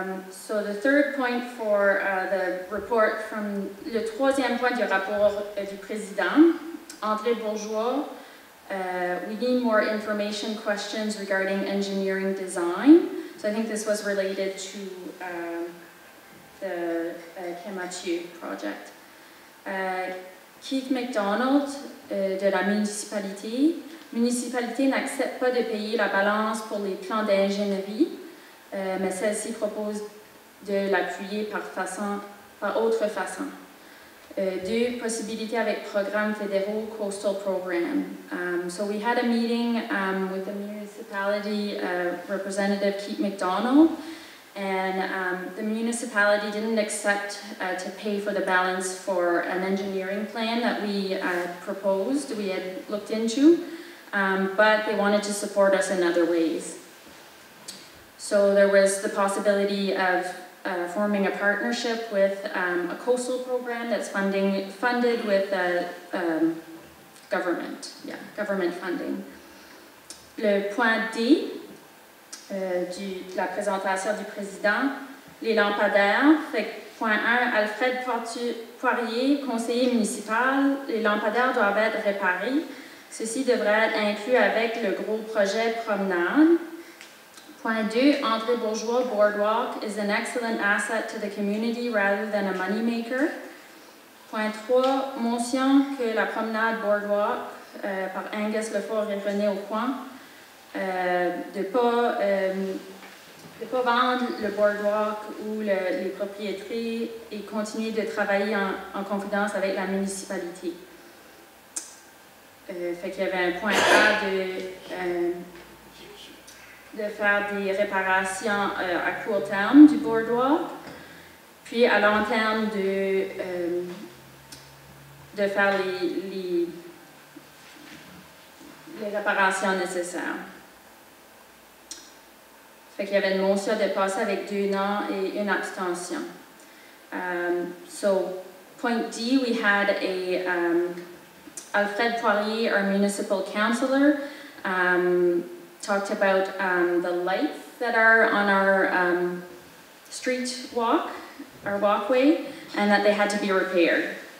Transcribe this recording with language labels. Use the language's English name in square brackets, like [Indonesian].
[English] So the third point for the report from, [French] le troisième point du rapport du président, [English] André Bourgeois, we need more information questions regarding engineering design. So I think this was related to the Kemathieu project. [French] Keith McDonald, de la municipalité. Municipalité n'accepte pas de payer la balance pour les plans d'ingénierie, mais celle-ci propose de l'appuyer par autre façon. deux possibilités avec programme fédéral coastal program. [English] So we had a meeting with the municipality representative Keith McDonald, and the municipality didn't accept to pay for the balance for an engineering plan that we proposed, we had looked into, but they wanted to support us in other ways. So there was the possibility of forming a partnership with a coastal program that's funded with the government funding. [French] Le point D de la présentation du président, les lampadaires. Fait, point 1, Alfred Poirier, conseiller municipal, les lampadaires doivent être réparés. Ceci devrait être inclus avec le gros projet promenade. [English] Point 2, André Bourgeois Boardwalk is an excellent asset to the community rather than a moneymaker. [French] Point 3, mention que la promenade Boardwalk par Angus Lefort et René Aucoin, de pas vendre le Boardwalk ou les propriétés et continuer de travailler en confidence avec la municipalité. Fait qu'il y avait un point A de faire des réparations à court terme du Boardwalk, puis à long terme de faire les réparations nécessaires. Fait qu'il y avait une motion de passer avec deux noms et une abstention. [English] So, point D, we had a Alfred Poirier, our municipal councillor, talked about the lights that are on our street walk, our walkway, and that they had to be repaired.